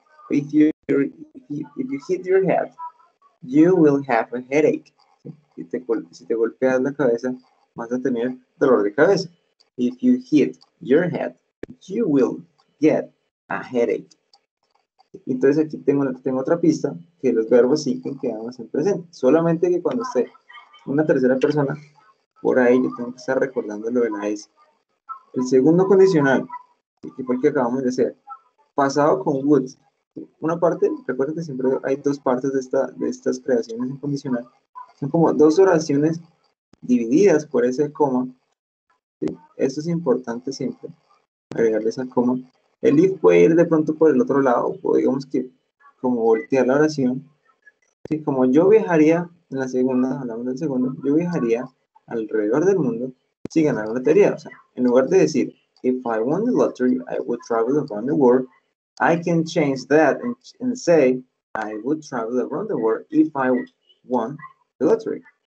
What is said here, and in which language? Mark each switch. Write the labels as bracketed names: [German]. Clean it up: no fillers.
[English] If you hit your head, you will have a headache. [Spanish] ¿Sí? Si te golpeas la cabeza, vas a tener dolor de cabeza. [English] If you hit your head, you will get a headache. [Spanish] Entonces aquí tengo otra pista, que los verbos sí que quedamos en presente. Solamente que cuando esté una tercera persona, por ahí yo tengo que estar recordando lo de la S. El segundo condicional. Que fue el que acabamos de hacer. Pasado con would. Una parte, recuerden que siempre hay dos partes de estas creaciones en condicional. Son como dos oraciones divididas por ese coma. ¿Sí? Eso es importante siempre, agregarle esa coma. El if puede ir de pronto por el otro lado, o digamos que como voltear la oración. ¿Sí? Como yo viajaría en la segunda, hablamos del segundo, yo viajaría alrededor del mundo si ganara la lotería. O sea, en lugar de decir, [English] if I won the lottery, I would travel around the world. I can change that and say, I would travel around the world if I won the lottery.